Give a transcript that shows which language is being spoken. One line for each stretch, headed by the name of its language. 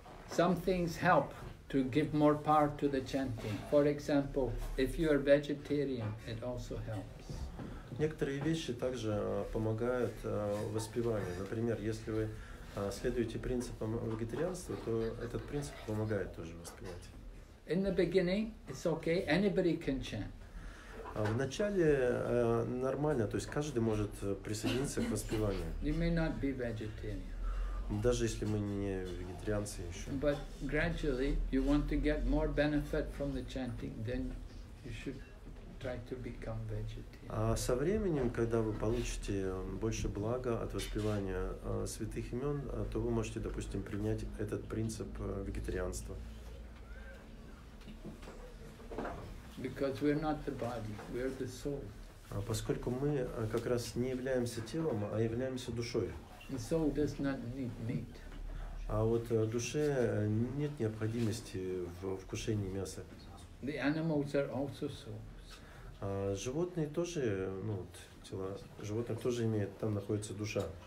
English: Some things help to give more power to the chanting. For example, if you are vegetarian, it also helps.
Russian: Некоторые вещи также помогают воспеванию. Например, если вы следуете принципам вегетарианства, то этот принцип помогает тоже воспевать.
English: In the beginning, it's okay. Anybody can chant.
Russian: В начале нормально, то есть каждый может присоединиться к воспеванию.
English: You may not be vegetarian.
Russian: Даже если мы не вегетарианцы еще.
English: But gradually you want to get more benefit from the chanting, then you should try to become vegetarian.
Russian: А со временем, когда вы получите больше блага от воспевания святых имен, то вы можете, допустим, принять этот принцип вегетарианства.
English: Because we're not the body, we're the soul.
Russian: Поскольку мы как раз не являемся телом, а являемся душой.
English: The soul does not need meat.
Russian: А вот душе нет необходимости в вкушении мяса.
English: The animals are also souls.
Russian: Животные тоже, ну, вот, тела животных тоже имеют, там находится душа.